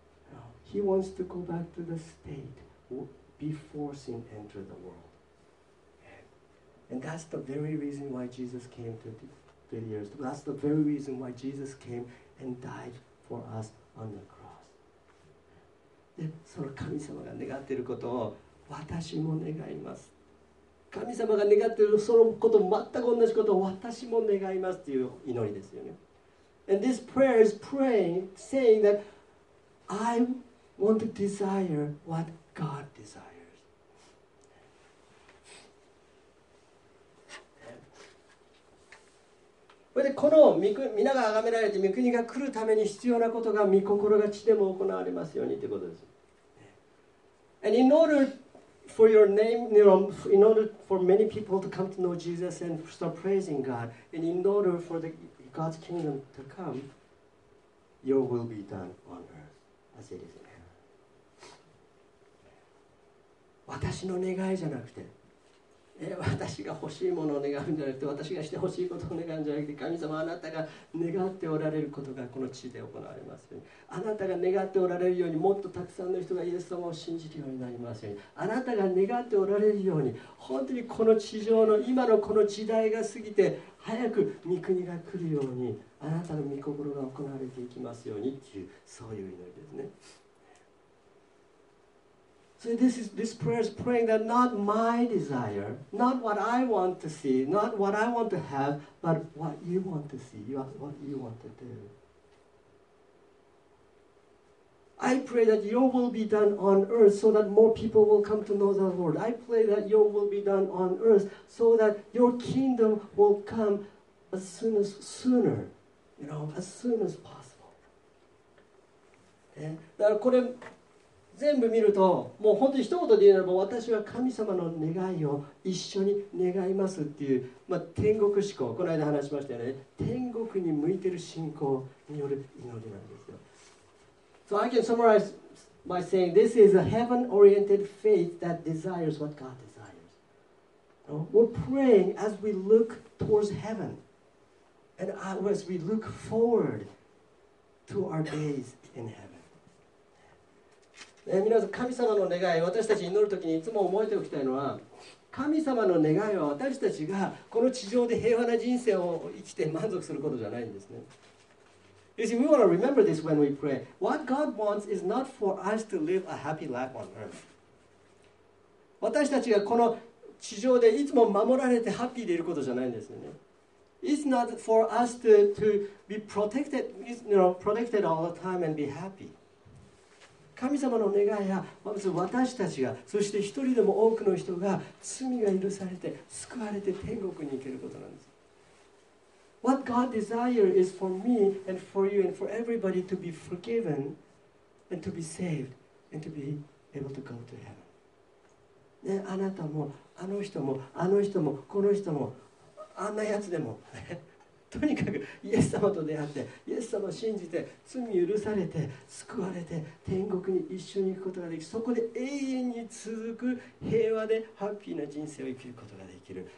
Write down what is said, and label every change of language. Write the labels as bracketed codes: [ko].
[en] You know, He wants to go back to the state before sin entered the world. And that's the very reason why Jesus came to the earth. That's the very reason why Jesus came and died for us on the cross. [ja] で、その神様が願っていることを私も願います。神様が願っているそのこと、全く同じことを私も願いますという祈りですよね。 [en] And this prayer is praying, saying that I want to desire what God desires. [ja] これでこの皆が崇められて御国が来るために必要なことが御心が地でも行われますようにということです。 [en] And in order for your name, you know, in order for many people to come to know Jesus and start praising God, and in order for the God's kingdom to come, your will be done on earth as it is in heaven. [ja] 私の願いじゃなくて、私が欲しいものを願うんじゃなくて、私がして欲しいことを願うんじゃなくて、神様、あなたが願っておられることがこの地で行われますように、あなたが願っておられるように、もっとたくさんの人がイエス様を信じるようになりますように、あなたが願っておられるように、本当にこの地上の今のこの時代が過ぎて早く御国が来るように、あなたの御心が行われていきますようにっていう、そういう祈りですね。 [en] So this prayer is praying that not my desire, not what I want to see, not what I want to have, but what you want to see, what you want to do. I pray that your will be done on earth so that more people will come to know the Lord. I pray that your will be done on earth so that your kingdom will come as soon as sooner, you know, as soon as possible. And that [ja] これ全部見ると、もう本当に一言で言うならば、私は神様の願いを一緒に願いますっていう、まあ、天国志向、この間話しましたよね。天国に向いてる信仰による祈りなんですよ。 [en] So I can summarize by saying, this is a heaven-oriented faith that desires what God desires. We're praying as we look towards heaven, and as we look forward to our days in heaven. [ja] 皆さん、神様の願い、私たち祈るときにいつも覚えておきたいのは、神様の願いは私たちがこの地上で平和な人生を生きて満足することじゃないんですね。 [en] You see, we want to remember this when we pray. What God wants is not for us to live a happy life on earth. [ja] 私たちがこの地上でいつも守られてハッピーでいることじゃないんですよね。 [en] It's not for us to be protected, you know, protected all the time and be happy. [ja] 神様の願いは、まず私たちが、そして一人でも多くの人が罪が許されて、救われて天国に行けることなんです。 [en] What God desires is for me and for you and for everybody to be forgiven and to be saved and to be able to go to heaven. [ja] ね、あなたも、あの人も、あの人も、この人も、あんなやつでも、とにかくイエス様と出会って、イエス様を信じて、罪許されて、救われて、天国に一緒に行くことができ、そこで永遠に続く平和でハッピーな人生を生きることができる。